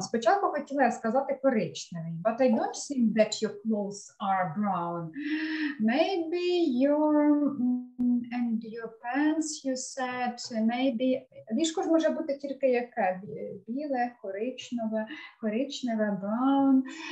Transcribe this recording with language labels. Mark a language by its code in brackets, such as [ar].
[uk] Спочатку хотіла сказати коричневий. [en] But I don't think that your clothes are brown. Maybe your and your pants, you said, maybe... [uk] Ліжко ж може бути тільки яке? Біле, коричневе, коричневе, brown.